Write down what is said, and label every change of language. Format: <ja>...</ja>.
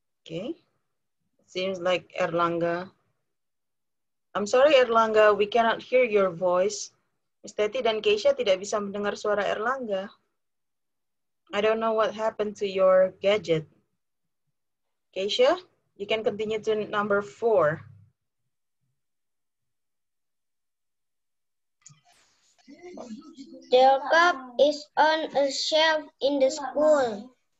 <en>Okay, seems like Erlanga. I'm sorry, Erlanga, we cannot hear your voice.</en> <id>Miss Teti dan Keisha tidak bisa mendengar suara Erlanga.</id> <en>I don't know what happened to your gadget. Keisha, you can continue to number four. The cup is on a shelf in the school.</en>